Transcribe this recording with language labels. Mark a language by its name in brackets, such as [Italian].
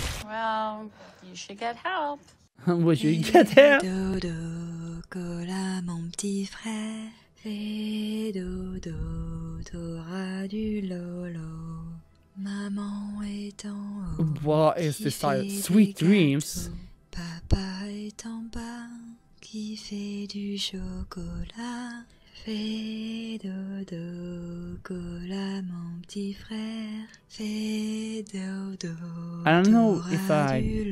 [English] Well, you should get help. We should get help. [French] Dodo, cola mon petit frère. Fais dodo, t'auras du lolo. Maman est en haut. [English] What is this style? Sweet dreams. [French] Papa est en bas. Qui fait du chocolat. Fais dodo, cola mon petit frère. Fais dodo, [English] I don't know if I...